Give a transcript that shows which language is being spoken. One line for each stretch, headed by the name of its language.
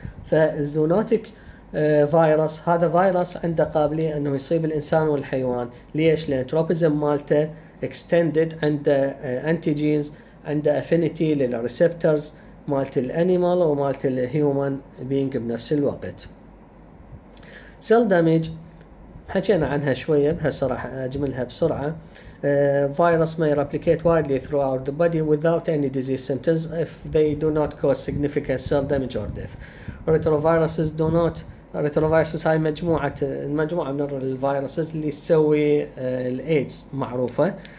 Arabic: فالزونوتيك فيروس هذا فيروس عنده قابلية أنه يصيب الإنسان والحيوان، ليش؟ لأن تروبيزم مالته extended، عنده أنتيجينز، عنده أفينيتي للريسبتورز مالت الأنيمال ومالت الهيومن بينج بنفس الوقت. سيل دامج حكينا عنها شوية، بهالصراحة صراحة أجملها بسرعة.
English: Virus may replicate widely throughout the body without any disease symptoms if they do not cause significant cell damage or death. Retroviruses do not.
Arabic: Retroviruses هاي مجموعة من الفيروسات اللي تسوي الايدز معروفة.